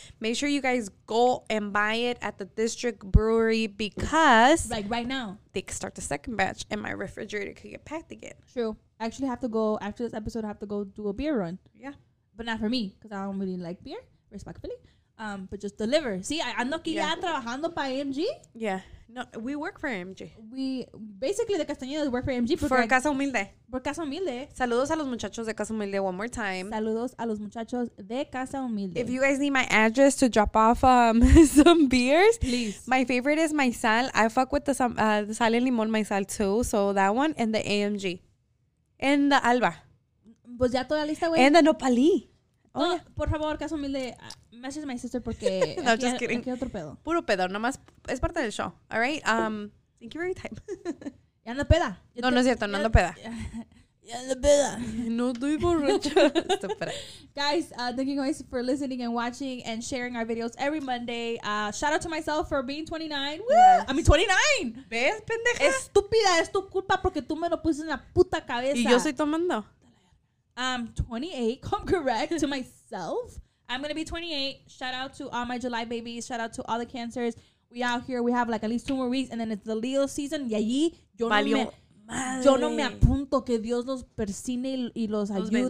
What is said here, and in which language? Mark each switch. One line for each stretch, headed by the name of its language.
English: Make sure you guys go and buy it at the District Brewery because like right now they can start the second batch and my refrigerator could get packed again. True. I actually have to go after this episode. I have to go do a beer run. Yeah, but not for me because I don't really like beer. Respectfully. But just deliver. See, I
Spanish: ando aquí ya trabajando para AMG.
English: Yeah. No, we work for AMG. Basically, the Castañedas work for AMG. For Casa Humilde. For Casa Humilde.
Spanish: Saludos a los muchachos de Casa Humilde
English: one more time.
Spanish: Saludos a los muchachos de Casa Humilde.
English: If you guys need my address to drop off some beers. Please. My favorite is my sal. I fuck with the sal and limón, my sal too. So that one and the AMG. And the Alba.
Spanish: Pues ya toda lista, güey.
English: And the Nopalí. Oh, no, yeah.
Spanish: Por favor,
English: Casa Humilde, message my sister
Spanish: porque
English: no, aquí, just kidding.
Spanish: Aquí otro pedo. Puro pedo, nomás es parte del show.
English: All right, thank you for your time.
Spanish: Ya ando peda. No, es cierto, no ando peda. Ya ando peda. No estoy borracho.
English: Guys, thank you guys for listening and watching and sharing our videos every Monday. Shout out to myself for being 29. Woo! Yes. 29.
Spanish: ¿Ves, pendeja? Estúpida, es tu culpa porque tú me lo pusiste en la puta cabeza. Y yo estoy tomando.
English: I'm 28, come correct, to myself. I'm going to be 28. Shout out to all my July babies. Shout out to all the cancers. We out here. We have like at least 2 more weeks. And then it's the Leo season.
Spanish: Y allí, yo no me apunto que Dios los persigne y los ayude.